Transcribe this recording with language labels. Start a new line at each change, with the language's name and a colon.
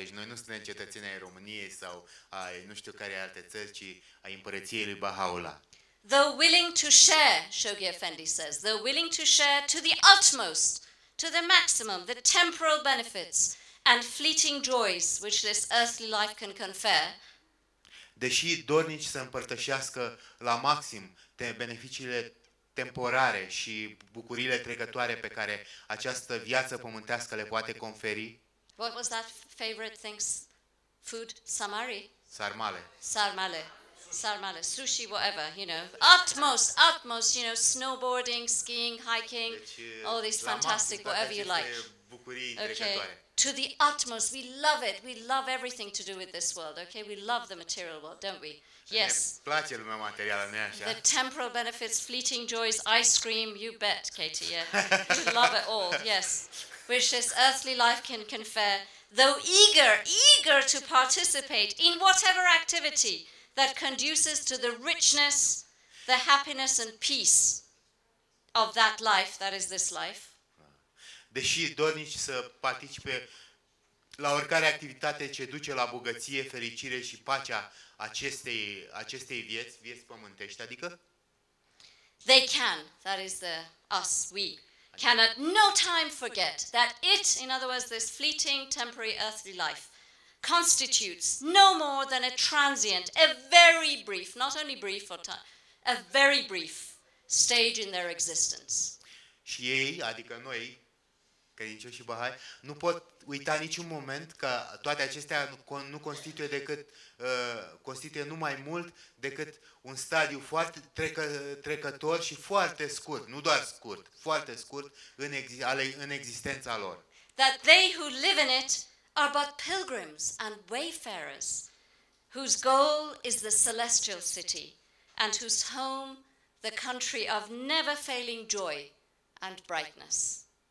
Romanian: Deci noi nu suntem cetățeni ai României sau ai nu știu care alte țări, ci ai împărăției lui Baha'u'llah.
English: Though willing to share, Shoghi Effendi says, though willing to share to the utmost, to the maximum, the temporal benefits and fleeting joys which this earthly life can confer.
Romanian: Deși dornici să împărtășească la maxim beneficiile temporare și bucurile trecătoare pe care această viață pământească le poate conferi.
English: What was that favorite things? Food? Samari?
Romanian: Sarmale. Sarmale.
English: Sarmale, sushi, whatever, you know, utmost, you know, snowboarding, skiing, hiking,
Romanian: deci,
English: all these fantastic, whatever you like. Okay, to the utmost, we love it, we love everything to do with this world, okay, we love the material world, don't we? Yes.
Romanian: Ne place lumea materială, nu-i așa?
English: The temporal benefits, fleeting joys, ice cream, you bet, Katie, yeah, we love it all, yes, which this earthly life can confer, though eager to participate in whatever activity that conduces to the richness, the happiness and peace of that life, that is this life.
Romanian: Deși dornici să participe la oricare activitate ce duce la bogăție, fericire și pacea acestei vieți pământești, adică?
English: They can, that is the us, we, can at no time forget that it, in other words, this fleeting, temporary, earthly life, constitutes no more than a transient, a very brief, not only brief or time, a very brief stage in their existence.
Romanian: Și ei, adică noi, credincioșii Bahai, nu pot uita niciun moment că toate acestea nu constituie decât constituie numai mult decât un stadiu foarte trecător și foarte scurt, nu doar scurt, foarte scurt în existența lor.
English: That they who live in it are but pilgrims and wayfarers whose goal is the celestial city and whose home the country of never failing joy and brightness.